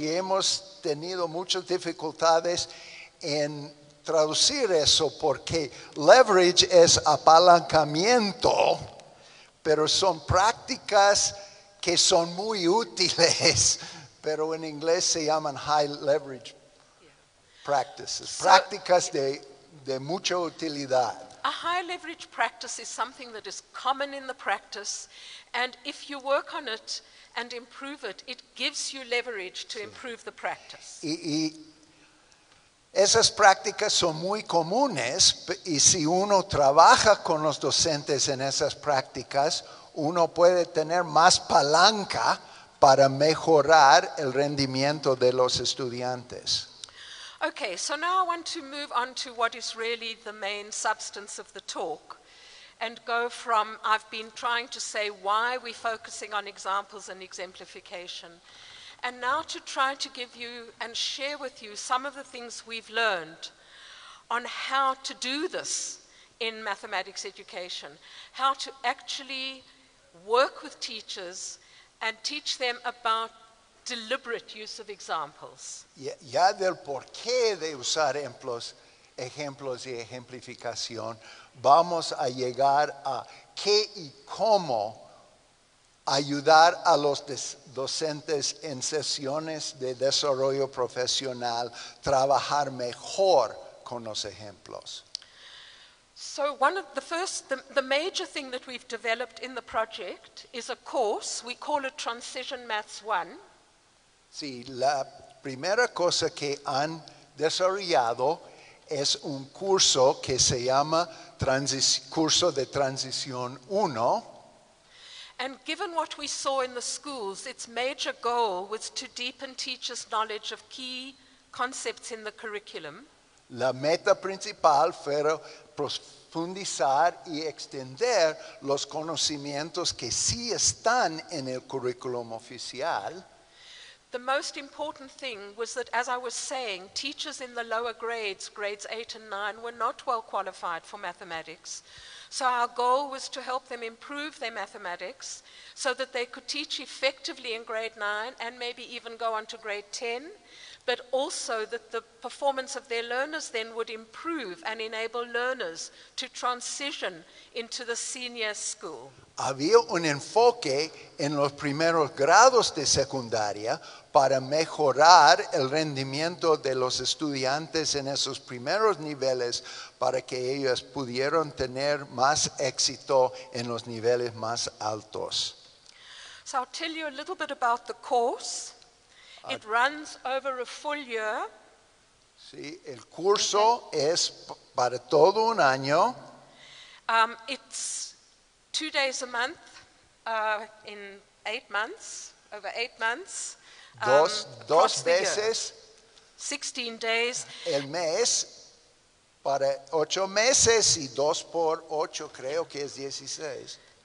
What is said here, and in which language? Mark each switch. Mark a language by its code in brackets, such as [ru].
[es] Y hemos tenido muchas dificultades en traducir eso porque leverage es apalancamiento, pero son prácticas que son muy útiles, pero en inglés se llaman high leverage practices, so, prácticas de mucha utilidad. [en] A high leverage practice is something that is common in the practice, and if you work on it and improve it, it gives you leverage to improve the practice. [es] Y esas prácticas son muy comunes y si uno trabaja con los docentes en esas prácticas, uno puede tener más palanca para mejorar el rendimiento de los estudiantes. [en] Okay, so now I want to move on to what is really the main substance of the talk. and go from, I've been trying to say why we're focusing on examples and exemplification, and now to try to give you and share with you some of the things we've learned on how to do this in mathematics education, how to actually work with teachers and teach them about deliberate use of examples. [es] Ya del porqué de usar ejemplos y ejemplificación, vamos a llegar a qué y cómo ayudar a los docentes en sesiones de desarrollo profesional trabajar mejor con los ejemplos. [en] So one of the first, the major thing that we've developed in the project is a course, we call it Transition Maths 1. [es] Sí, la primera cosa que han desarrollado es un curso que se llama curso de Transición 1. [en] And given what we saw in the schools, its major goal was to deepen teachers' knowledge of key concepts in the curriculum. [es] La meta principal fue profundizar y extender los conocimientos que sí están en el currículum oficial. [en] The most important thing was that, as I was saying, teachers in the lower grades, grades 8 and 9, were not well qualified for mathematics. So our goal was to help them improve their mathematics so that they could teach effectively in grade 9 and maybe even go on to grade 10, but also that the performance of their learners then would improve and enable learners to transition into the senior school. [es] Había un enfoque en los primeros grados de secundaria para mejorar el rendimiento de los estudiantes en esos primeros niveles para que ellos pudieran tener más éxito en los niveles más altos. [en] So I'll tell you a little bit about the course. It runs over a full year. [es] Sí, el curso es para todo un año. [en] It's 2 days a month in 8 months, over 8 months. [es] Dos veces. [en] 16 days. [es] El mes para 8 meses y dos por ocho, creo que es 16.